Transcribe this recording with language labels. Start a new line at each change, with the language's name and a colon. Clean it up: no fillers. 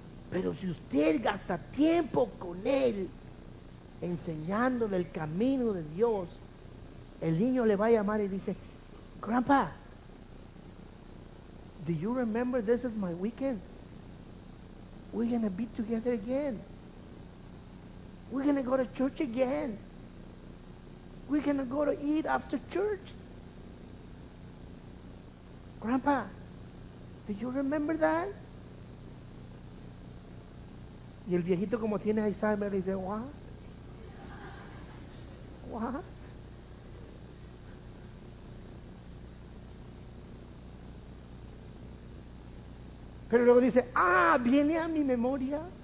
Spanish: Pero si usted gasta tiempo con él, enseñándole el camino de Dios, el niño le va a llamar y dice: grandpa, do you remember this is my weekend?
English: We're gonna be together again. We're gonna go to church again. We're gonna go to eat after church. Grandpa, do you remember that?
Spanish: Y el viejito, como tiene Alzheimer, dice: What? Pero luego dice: ah, viene a mi memoria.